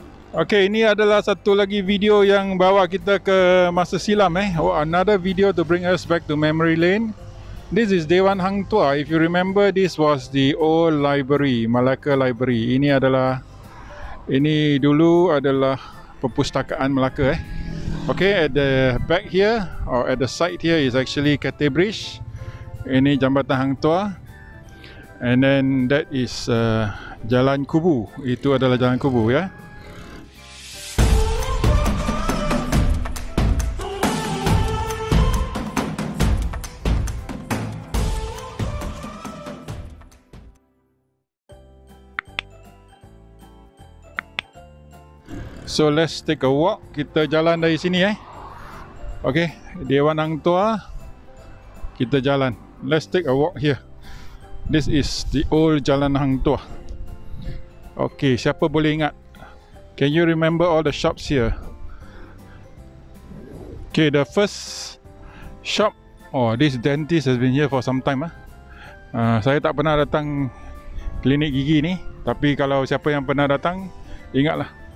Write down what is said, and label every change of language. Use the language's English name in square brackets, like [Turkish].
[Malay] Okay, ini adalah satu lagi video yang bawa kita ke masa silam eh. [English] Oh, another video to bring us back to memory lane. This is Dewan Hang Tuah. If you remember, this was the old library, Melaka Library. [Malay] Ini dulu adalah perpustakaan Melaka eh. [English] Okay, at the back here or at the side here is actually Cathay Bridge. [Malay] Ini Jambatan Hang Tuah. [English] And then that is Jalan Kubu. [Malay] Itu adalah Jalan Kubu ya. [English] So let's take a walk. [Malay] Kita jalan dari sini eh. [English] Okay, Dewan Hang Tuah. [Malay] Kita jalan. [English] Let's take a walk here. This is the old Jalan Hang Tuah. Okay, [Malay] siapa boleh ingat? [English] Can you remember all the shops here? Okay, the first shop. Oh, this dentist has been here for some time. [Malay] Saya tak pernah datang klinik gigi ni. Tapi kalau siapa yang pernah datang, ingatlah.